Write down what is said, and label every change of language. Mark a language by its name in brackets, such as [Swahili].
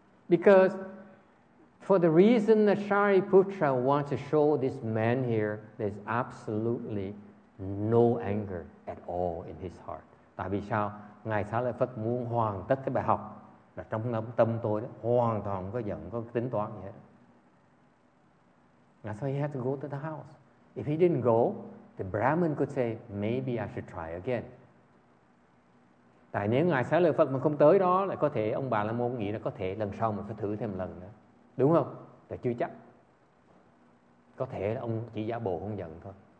[English] Because for the reason that Shariputra wants to show this man here, there's absolutely no anger at all in his heart. [Vietnamese] Tại vì sao? Ngài Xá Lợi Phất muốn hoàn tất cái bài học là trong tâm tôi đó, hoàn toàn có giận, có tính toán gì hết. [English] That's why he had to go to the house. If he didn't go, the Brahmin could say, maybe I should try again. [Vietnamese] Tại nếu Ngài Xá Lợi Phất mà không tới đó, là có thể ông Bà La Môn nghĩ là có thể lần sau mình phải thử thêm lần nữa. Đúng không? Tại chưa chắc. Có thể là ông chỉ giả bộ không giận thôi.